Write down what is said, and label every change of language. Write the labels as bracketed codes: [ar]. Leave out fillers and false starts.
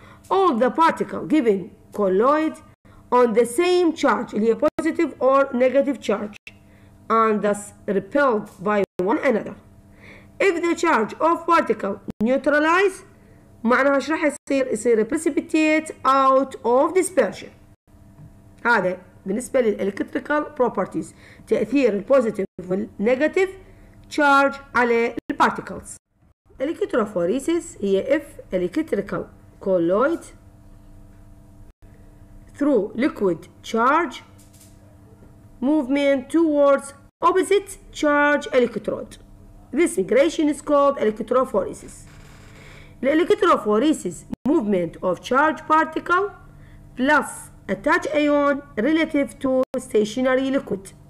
[en] All the particle given colloid on the same charge, [ar] اللي هي [en] positive or negative charge, and thus repelled by one another. If the charge of particle neutralize, [ar] معناها ايش راح يصير؟ يصير [en] precipitate out of dispersion. [ar] هذا بالنسبة للإلكتريكال بروبرتيز تأثير البوزيتيف والنيجاتيف تشارج على البارتيكلز. الإلكتروفوريسيس هي إف إلكتريكال كولويد [en] through liquid charge movement towards opposite charge electrode. This migration is called electrophoresis. الإلكتروفوريسيس movement of charge particle plus attach ion relative to stationary liquid